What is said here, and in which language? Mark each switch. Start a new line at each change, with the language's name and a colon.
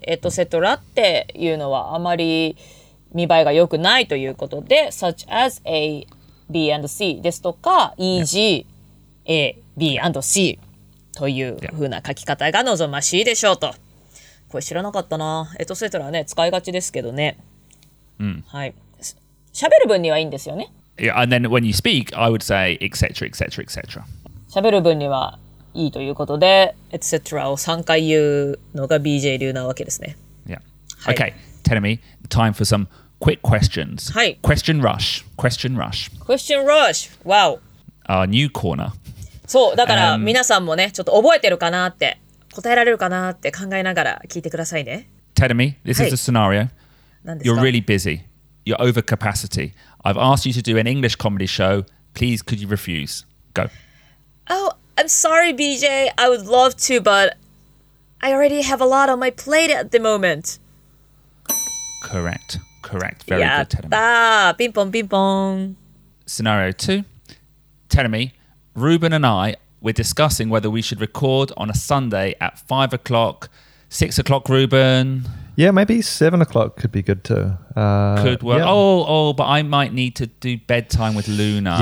Japanese: エトセトラっていうのはあまり見栄えが良くないということで、
English: such as A, B and C
Japanese: ですとか e.g. A, B and C というふうな書き方が望ましいでしょうと。これ知らなかったな。エトセトラね、使いがちですけどね。喋る分にはいいんですよね。
English: Yeah, and then when you speak, I would say etc. etc. etc.
Japanese: 喋る分にはいいということで、 etc.を3回言うのが BJ 流なわけですね。
English: Yeah. Okay, Tenami, time for some quick questions.
Japanese: はい。
English: Question rush. Question rush. Question rush. Wow. Our new corner.
Japanese: そう、だから皆さんもね、ちょっと覚えてるかなって、答えられるかなって考えながら聞いてくださいね。
English: Tenami, this is a scenario. You're really busy. You're over capacity. I've asked you to do an English comedy show. Please, could you refuse? Go. Oh, I'm sorry, BJ. I would love to, but I already have a lot on my plate at the moment. Correct. Correct. Very good, Tenami.
Japanese: やった。ピンポンピンポン。
English: Scenario two. Tenami, Ruben and I, we're discussing whether we should record on a Sunday at 5 o'clock, 6 o'clock, Ruben. Yeah, maybe 7 o'clock could be good too. Could work. Yeah. Oh, but I might need to do bedtime with Luna.